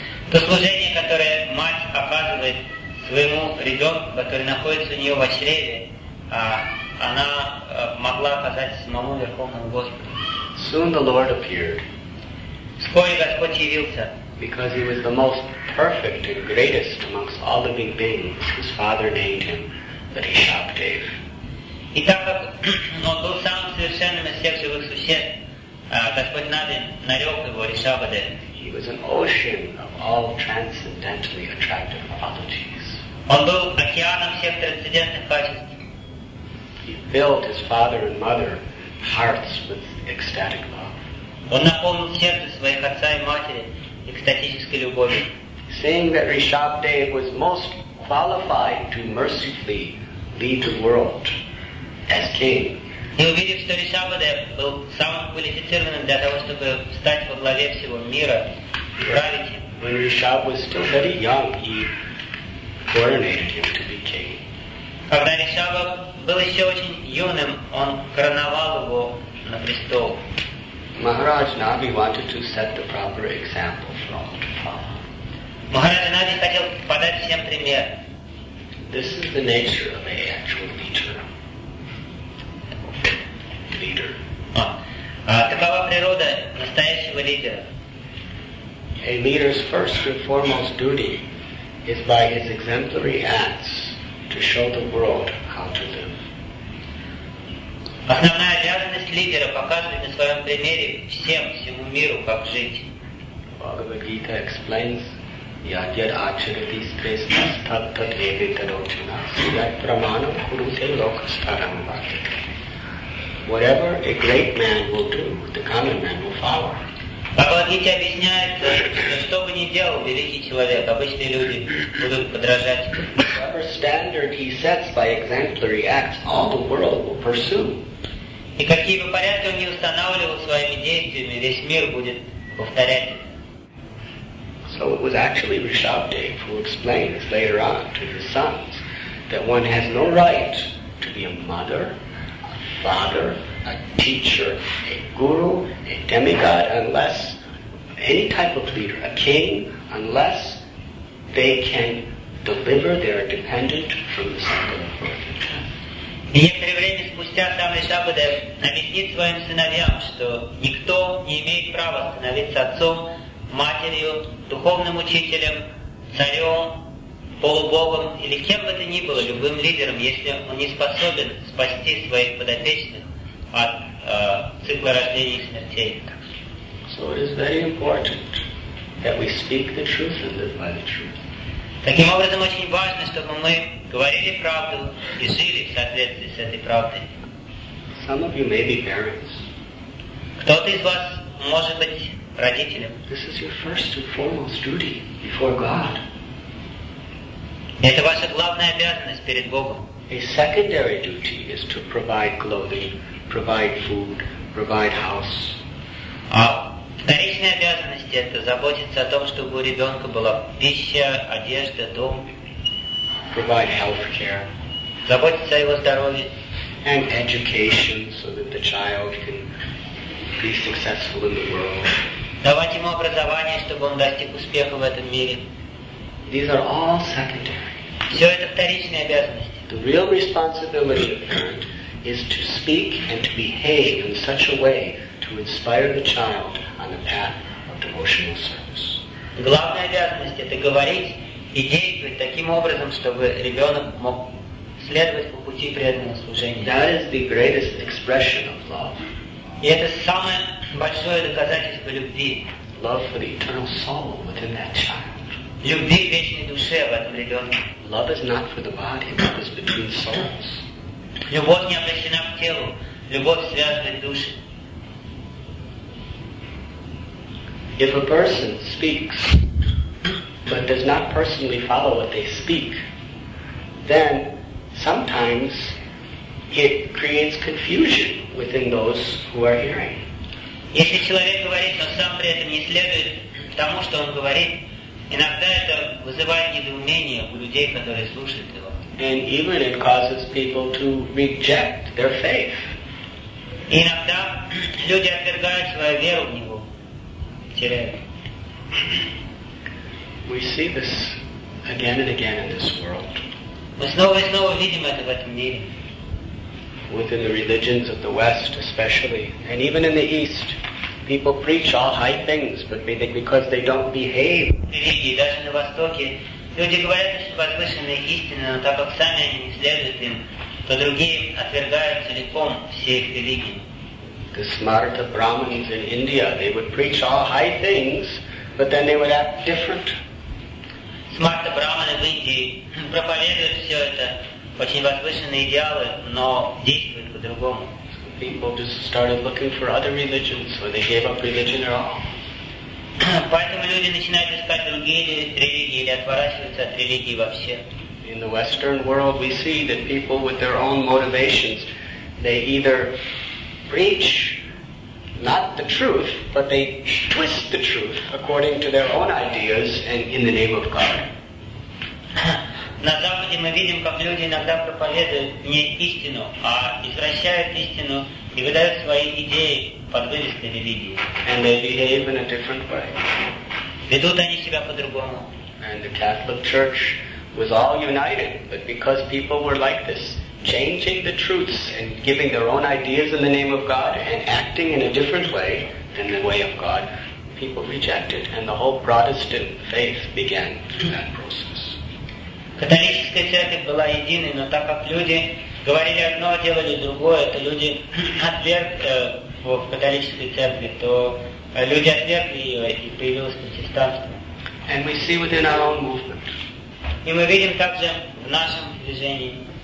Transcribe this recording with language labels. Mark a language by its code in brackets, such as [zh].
[ru] То служение, которое мать оказывает своему ребенку, который находится у нее в чреве, она могла оказать самому Верховному Господу. [en] Soon the Lord appeared. [ru] Вскоре Господь явился. [en] Because he was the most perfect and greatest amongst all living beings, his father named him Vrishabhdev. [ru] И так как он был самым совершенным из всех живых существ, Господь Навин нарек его Ришабхадев. [en] He was an ocean of all transcendentally attractive qualities. [ru] Он был океаном всех трансцендентных качеств. [en] He filled his father and mother hearts with ecstatic love. [ru] Он наполнил сердце своих отца и матери. Экстатической любовью. [en] Saying that Rishabhdev was most qualified to mercifully lead the world as king. [ru] И увидев, что Ришабхадев был самым квалифицированным для того, чтобы стать во главе всего мира и править им. [en] When Rishabh was still very young, he coronated him to be king. [ru] Когда Ришабх был еще очень юным, он короновал его на престол. [en] Maharaj Navi wanted to set the proper example for all to follow. [ru] Maharaj Navi хотел подать всем пример. [en] This is the nature of an actual leader. Leader. [ru] Такова природа настоящего лидера. [en] A leader's first and foremost duty is by his exemplary acts to show the world how to live. [ru] Основная обязанность лидера показывать на своем примере всем, всему миру, как жить. [sa] Бхагавад-гита [en] explains [sa] यद्यद् आचरति स्त्रेष्ठ तत्तद्वेदेतदोचना यत् प्रमाणं कुरुते लोकस्तरं वर्तते. [en] Whatever a great man will do, the common man will follow. [ru] Бхагавад-гита объясняет, что, что бы ни делал великий человек, обычные люди будут подражать. [en] Whatever standard he sets by exemplary acts, all the world will pursue. [ru] И какие бы порядки он ни устанавливал своими действиями, весь мир будет повторять. [en] So it was actually Rishabhdev who explains later on to his sons that one has no right to be a mother, father, a teacher, a guru, a demigod, unless any type of leader, a king, unless they can deliver their dependent from the cycle of birth and death. [ru] И некоторое время спустя сам Ришабхадев объяснит своим сыновьям, что никто не имеет права становиться отцом, матерью, духовным учителем, царем, полубогом или кем бы то ни было, любым лидером, если он не способен спасти своих подопечных от цикла рождения и смертей. [en] So it is very important that we speak the truth and live by the truth. [ru] Таким образом, очень важно, чтобы мы говорили правду и жили в соответствии с этой правдой. [en] Some of you may be parents. [ru] Кто-то из вас может быть родителем. [en] This is your first and foremost duty before God. [ru] Это ваша главная обязанность перед Богом. [en] A secondary duty is to provide clothing, provide food, provide house. [ru] А вторичная обязанность — это заботиться о том, чтобы у ребенка была пища, одежда, дом. [en] Provide health care. [ru] Заботиться о его здоровье. [en] And education, so that the child can be successful in the world. [ru] Давать ему образование, чтобы он достиг успеха в этом мире. [en] These are all secondary. [ru] Все это вторичные обязанности. [en] The real responsibility of parent is to speak and to behave in such a way to inspire the child on the path of devotional service. [ru] Главная обязанность — это говорить и действовать таким образом, чтобы ребенок мог следовать по пути преданного служения. [en] That is the greatest expression of love. [ru] И это самое большое доказательство любви. [en] Love for the eternal soul within that child. [ru] Любви к вечной душе в этом ребенке. [en] Love is not for the body, love is between souls. [ru] Любовь не обращена к телу, любовь связывает души. [en] If a person speaks, but does not personally follow what they speak, then sometimes it creates confusion within those who are hearing. [ru] Если человек говорит, но сам при этом не следует тому, что он говорит, иногда это вызывает недоумение у людей, которые слушают его. [en] And even it causes people to reject their faith. [ru] И иногда люди отвергают свою веру в него, теряют. [en] We see this again and again in this world. [ru] Мы снова и снова видим это в этом мире. [en] Within the religions of the West especially, and even in the East, people preach all high things, but because they don't behave. [ru] Религии, даже на Востоке, люди говорят, что возвышенные истины, но так как сами они не следуют им, то другие отвергают целиком все их религии. [en] The smarta brahmins in India, they would preach all high things, but then they would act different. [ru] Смарта брахманы в Индии проповедуют все это, очень возвышенные идеалы, но действуют по-другому. [en] People just started looking for other religions, or they gave up religion at all. [ru] Поэтому люди начинают искать другие религии или отворачиваются от религии вообще. [en] In the Western world, we see that people with their own motivations, they either preach not the truth, but they twist the truth according to their own ideas and in the name of God. [ru] На Западе мы видим, как люди иногда проповедуют не истину, а извращают истину и выдают свои идеи под вывеской религии. [en] And they behave in a different way. [ru] Ведут они себя по-другому. [en] And the Catholic Church was all united, but because people were like this, changing the truths and giving their own ideas in the name of God and acting in a different way than the way of God, people rejected, and the whole Protestant faith began through that process. [ru] Католическая церковь была единой, но так как люди говорили одно, делали другое, то люди отвергли в католической церкви, то люди отвергли ее, и появилось протестантство. [en] And we see within our own movement. [ru] И мы видим также в нашем движении.